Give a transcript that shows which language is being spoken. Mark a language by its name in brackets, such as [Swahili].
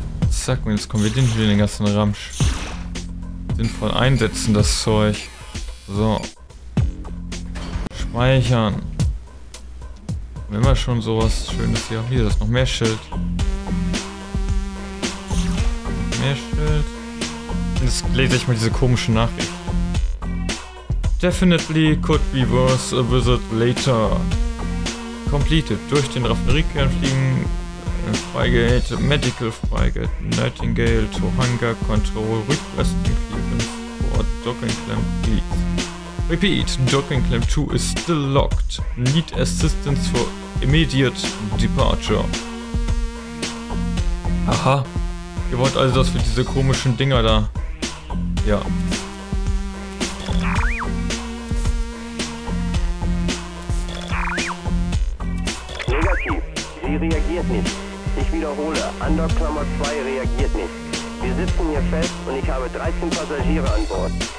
[German] Zack, und jetzt kommen wir den hier in den ganzen Ramsch. Sinnvoll einsetzen, das Zeug. So. Speichern. Wenn wir schon sowas Schönes hier haben. Hier, das ist noch mehr Schild. Mehr Schild. Jetzt lese ich mal diese komische Nachricht. [English] Definitely could be worth a visit later. [German] Completed. Durch den Raffineriekern fliegen. Freigate. [English] Medical Freigate. Nightingale to Hunger Control. Requesting Clearance for Dock and Clamp, please. Repeat, Docking Clamp 2 is still locked. Need assistance for immediate departure. Aha. [German] Ihr wollt also, dass wir diese komischen Dinger da... Ja. Negativ. Sie reagiert nicht. Ich wiederhole, Andockklammer 2 reagiert nicht. Wir sitzen hier fest und ich habe 13 Passagiere an Bord.